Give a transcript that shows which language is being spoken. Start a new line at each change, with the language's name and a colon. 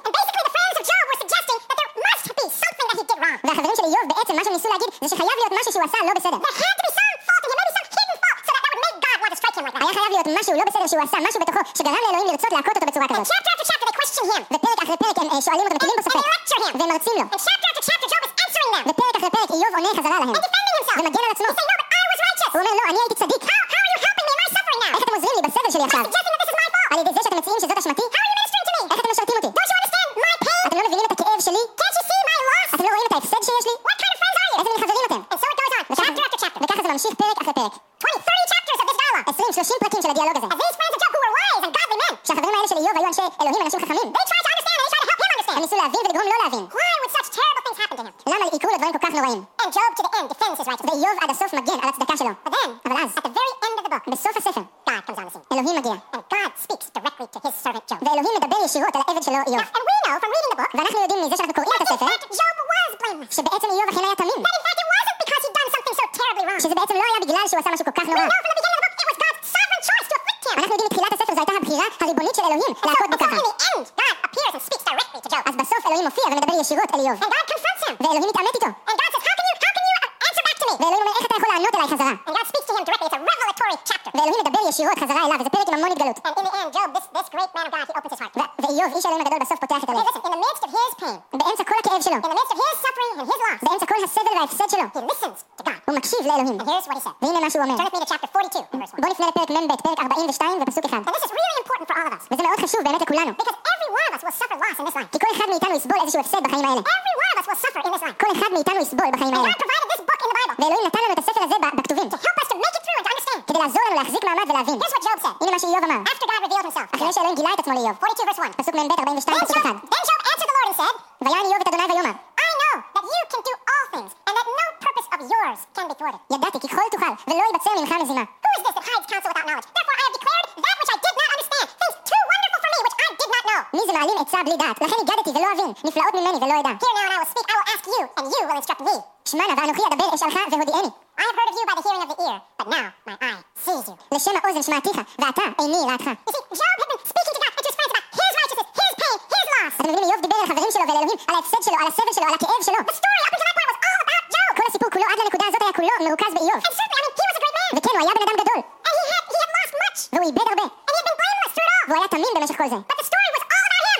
English: And basically the friends of Job were suggesting that there must be something that he did wrong.
Hebrew: והחברים של איוב בעצם מה שהם ניסו להגיד זה שחייב להיות משהו שהוא עשה לא בסדר.
English: There had to be some fault and maybe some hidden fault so that would make God want to strike him like that.
Hebrew: היה חייב להיות משהו לא בסדר שהוא עשה, משהו בתוכו שגרם לאלוהים לרצות להכות אותו בצורה כזאת.
English: And chapter after chapter they question him.
Hebrew: ופרק אחרי פרק הם שואלים אותו ומטילים בו ספק.
English: And they lecture him.
Hebrew: והם מרצים לו.
English: And chapter after chapter Job is answering them.
Hebrew: ופרק אחרי פרק איוב עונה חזרה להם.
English: And defending himself.
Hebrew: ומגן על עצמו.
English: He said, no, but I was righteous.
Hebrew: הוא אומר, לא, אני הייתי צדיק. איך אתם עוזרים לי בסבל שלי עכשיו? על ידי זה שאתם מציעים שזאת אשמתי? איך אתם משרתים אותי? אתם לא מבינים את הכאב שלי? אתם לא רואים את ההפסד שיש לי? איזה מין חברים אתם? וככה זה ממשיך פרק אחרי פרק.
English: 20, 30 chapters of this dialogue.
Hebrew: 20, 30 פרקים של הדיאלוג הזה.
English: And these friends of Job who were wise and godly men.
Hebrew: שהחברים האלה של איוב היו אנשי אלוהים, אנשים חכמים.
English: They tried to understand and they tried to help him understand.
Hebrew: הם ניסו להבין ולגרום לו להבין.
English: Why would such terrible things happen to him?
Hebrew: למה יקרו לדברים כל כך נוראים?
English: And Job to the end defends his righteousness.
Hebrew: ואיוב עד הסוף מגן על הצדקה שלו.
English: But then,
Hebrew: אבל אז,
English: at the very end of the book,
Hebrew: בסוף הספר,
English: God comes on the scene.
Hebrew: אלוהים מגיע.
English: And God speaks directly to his servant Job.
Hebrew: ואלוהים מדבר ישירות על העבד שלו איוב.
English: Now, and we know from reading the book,
Hebrew: ואנחנו יודעים מזה שאנחנו קוראים את הספר,
English: that Job was blameless.
Hebrew: שבעצם איוב אכן היה תמים.
English: That in fact it wasn't because he'd done something so terribly wrong.
Hebrew: שזה בעצם לא היה בגלל שהוא עשה משהו כל כך נורא.
English: We know from the beginning of the book, it was God's sovereign choice to afflict him.
Hebrew: אנחנו יודעים מתחילת הספר, זו הייתה הבחירה הריבונית של אלוהים, להכות בו ככה.
English: And so, in the end, God appears and speaks directly to Job.
Hebrew: אז בסוף אלוהים מופיע ומדבר ישירות אל איוב.
English: And God confronts him.
Hebrew: ואלוהים מתעמת איתו.
English: And God says, how can you answer back to me?
Hebrew: ואלוהים אומר, איך אתה יכול לענות אליי חזרה?
English: And God speaks to him directly. It's a revelatory chapter.
Hebrew: ואלוהים מדבר ישירות חזרה אליו, וזה פרק עם המון התגלות.
English: And in the end, Job, this great man of God, he opens his heart.
Hebrew: ואיוב, איש אלוהים הגדול, בסוף פותח את הלב.
English: Hey, listen, in the midst of his pain,
Hebrew: באמצע כל הכאב שלו,
English: in the midst of his suffering and his loss,
Hebrew: באמצע כל הסבל וההפסד שלו,
English: he listens to God.
Hebrew: הוא מקשיב לאלוהים.
English: And here's what he said.
Hebrew: והנה מה שהוא אומר.
English: Turn with me to chapter 42, verse 1.
Hebrew: בוא נפנה לפרק מ"ב, פרק 42 ופסוק 1.
English: And this is really important for all of us.
Hebrew: וזה מאוד חשוב באמת לכולנו.
English: Because every one of us will suffer loss in this life.
Hebrew: כי כל אחד מאיתנו יסבול איזשהו הפסד בחיים האלה.
English: Every one of us will suffer in this life.
Hebrew: כל אחד מאיתנו יסבול בחיים האלה.
English: And God provided this book in the Bible.
Hebrew: ואלוהים נתן לנו את הספר הזה בכתובים.
English: To help us to make it through and to understand.
Hebrew: כדי לעזור לנו להחזיק מעמד ולהבין.
English: Here's what Job said.
Hebrew: הנה מה שאיוב אמר.
English: After God revealed himself.
Hebrew: אחרי שאלוהים גילה את עצמו לאיוב.
English: 42, verse 1.
Hebrew: פסוק מ"ב, 42, פסוק 1.
English: Then Job answered the Lord and said,
Hebrew: ויען איוב את אדוני ויאמר,
English: I know that you can do all things and that no purpose of yours can be thwarted.
Hebrew: ידעתי כי כל תוכל ולא יבצע ממך מזימה.
English: Who is this that hides counsel without knowledge? Therefore I have declared that which I did not understand, things too wonderful for me which I did not know.
Hebrew: מי זה מעלים עצה בלי דעת? לכן הגדתי ולא אבין, נפלאות ממני ולא ידע.
English: Hear now and I will speak, I will ask you and you will instruct me.
Hebrew: שמענה ואנוכי אדבר אשאלך והודיעני.
English: I have heard of you by the hearing of the ear, but now my eye sees you.
Hebrew: לשם האוזן שמעתיך ואתה איני ראתך.
English: You see, Job had been speaking to God and to his friends about his righteousness, his pain, his loss.
Hebrew: אתם מבינים, איוב דיבר על חברים שלו ועל אלוהים, על ההפסד שלו, על הסבל שלו, על הכאב שלו.
English: The story up until that point was all about Job.
Hebrew: כל הסיפור כולו עד לנקודה הזאת היה כולו מרוכז באיוב.
English: And certainly, I mean, he was a great man.
Hebrew: וכן, הוא היה בן אדם גדול.
English: And he had lost much.
Hebrew: והוא איבד הרבה.
English: And he had been blameless through it all.
Hebrew: והוא היה תמים במשך כל זה.
English: But the story was all about him.